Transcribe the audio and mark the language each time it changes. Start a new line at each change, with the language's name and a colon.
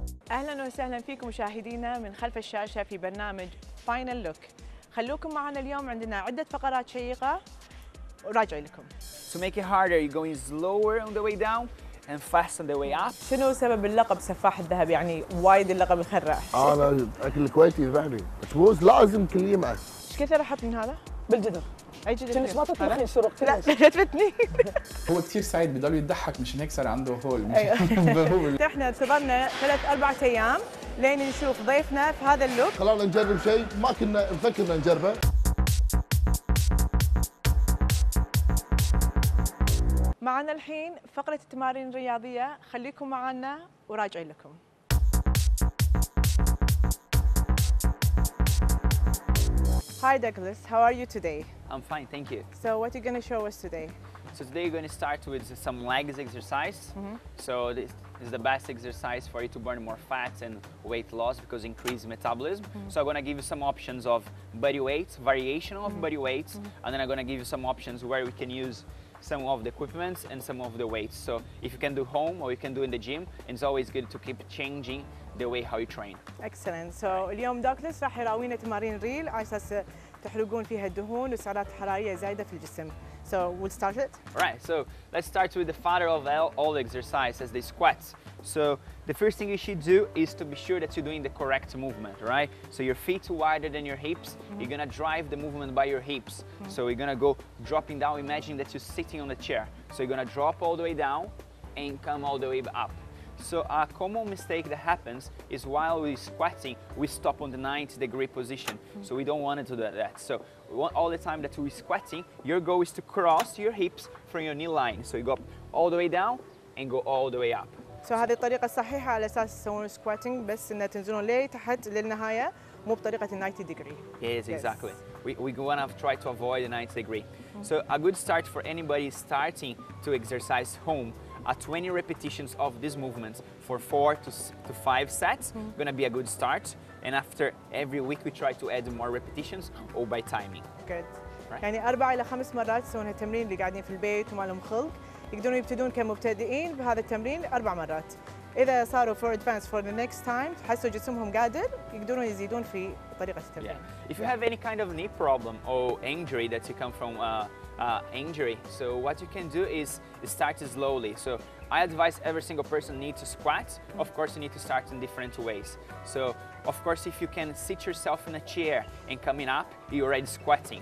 Arabic: اهلا وسهلا فيكم مشاهدينا من خلف الشاشه في برنامج فاينل لوك. خلوكم معنا اليوم، عندنا عده فقرات شيقه وراجع لكم.
English: To make it harder, you're going slower on the way down and fast on the way up.
Arabic: شنو سبب اللقب سفاح الذهب؟ يعني وايد اللقب يخرع. انا اكل كويتي فعلي، بس مو لازم كل يوم اس. ايش كثر احط من هذا؟ بالجدر. اي جدر؟ شنو ما تطلعني شروق؟ لا جذبتني. هو كثير سعيد بضل يضحك مشان هيك صار عنده هول. احنا انتظرنا ثلاث اربع ايام لين نشوف ضيفنا في هذا اللوك. خلونا نجرب شيء ما كنا مفكرنا نجربه. معنا الحين فقرة التمارين الرياضية، خليكم معنا وراجعين لكم.
English: Hi Douglas, how are you today? I'm fine, thank you. So what are you going to show us today? So today you're going to start with some legs exercise. Mm-hmm. So this is the best exercise for you to burn more fat and weight loss because increased metabolism. Mm-hmm. So I'm going to give you some options of body weights, variation of mm-hmm. body weights, mm-hmm. and then I'm going to give you some options where we can use some of the equipments and some of the weights. So if you can do home or you can do in the gym, it's always good to keep changing the way how you train. Excellent.
Arabic: So اليوم دوكلس راح يراوينا تمارين ريل عشان تحرقون فيها الدهون وسعرات حرارية زايدة في الجسم.
English: So we'll start it. Right. So let's start with the father of all exercises, the squats. So the first thing you should do is to be sure that you're doing the correct movement, right? So your feet wider than your hips. Mm-hmm. You're gonna drive the movement by your hips. Mm-hmm. So you're gonna go dropping down. Imagine that you're sitting on a chair. So you're gonna drop all the way down and come all the way up. So a common mistake that happens is while we're squatting, we stop on the 90 degree position. Mm-hmm. So we don't want to do that. So we want all the time that we're squatting, your goal is to cross your hips from your knee line. So you go all the way down and go all the way up.
Arabic: So هذه الطريقة الصحيحة على أساس تسوون سكواتينج، بس إن تنزلون لي تحت للنهاية، مو بطريقة 90 degree.
English: Yes, exactly. We wanna try to avoid the 90 degree. Mm-hmm. So a good start for anybody starting to exercise home, a 20 repetitions of this movement for 4 to 5 sets, mm-hmm. gonna be a good start. And after every week we try to add more repetitions or by timing. Good. Right.
Arabic: يعني 4 إلى 5 مرات تسوون التمرين اللي قاعدين في البيت وما لهم خلق. يقدرون يبتدون كمبتدئين بهذا التمرين 4 مرات. إذا صاروا
English: for advanced for the next time،
Arabic: تحسوا جسمهم قادر، يقدرون يزيدون في طريقة التمرين.
English: Yeah. If you have any kind of knee problem or injury that you come from injury, so what you can do is start slowly. So I advise every single person need to squat. Of course, you need to start in different ways. So of course, if you can sit yourself in a chair and coming up, you're already squatting.